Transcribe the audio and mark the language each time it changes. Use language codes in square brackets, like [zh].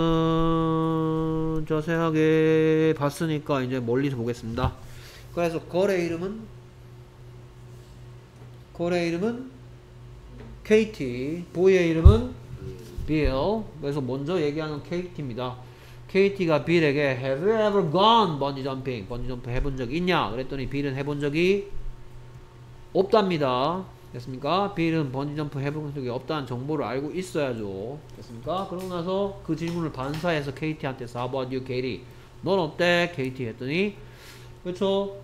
[ko] 그러면 자세하게 봤으니까 이제 멀리서 보겠습니다. 그래서 거래 이름은? 거래 이름은? KT. 보이의 이름은? Bill. 그래서 먼저 얘기하는 KT입니다. KT가 빌에게 [en] Have you ever gone bungee jumping? [ko] 번지 점프 해본 적 있냐? 그랬더니 빌은 해본 적이 없답니다. 됐습니까? 빌은 번지 점프 해본 적이 없다는 정보를 알고 있어야죠. 됐습니까? 그러고 나서 그 질문을 반사해서 KT한테 [en] How about you, Katie? [ko] 넌 어때? KT 했더니 그렇죠.